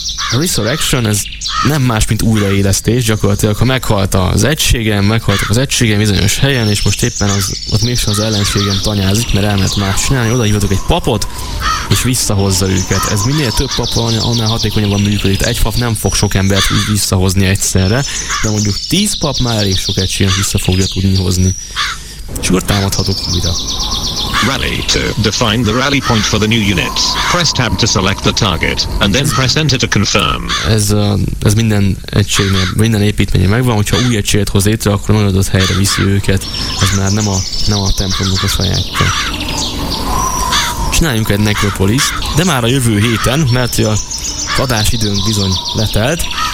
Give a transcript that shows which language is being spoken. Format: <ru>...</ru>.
<hu>A resurrection, ez nem más, mint újraélesztés, gyakorlatilag, ha meghalt az egységem, meghaltak az egységem bizonyos helyen, és most éppen az, ott mégsem az ellenségem tanyázik, mert elmehet más csinálni, odahívatok egy papot, és visszahozza őket. Ez minél több pap, annál hatékonyabban működik. Egy pap nem fog sok embert visszahozni egyszerre, de mondjuk 10 pap már elég sok egységem vissza fogja tudni hozni. És akkor támadhatok újra.</hu> <en>Rally to define the rally point for the new units. Press tab to select the target, and then press enter to confirm.</en> <hu>Ez minden egységnél, minden építménye megvan, hogyha új egységet hoz létre, akkor nagyon adott helyre viszi őket. Ez már nem a templomnak a sajátja. Csináljunk egy nekropoliszt, de már a jövő héten, mert a adás időnk bizony letelt.</hu>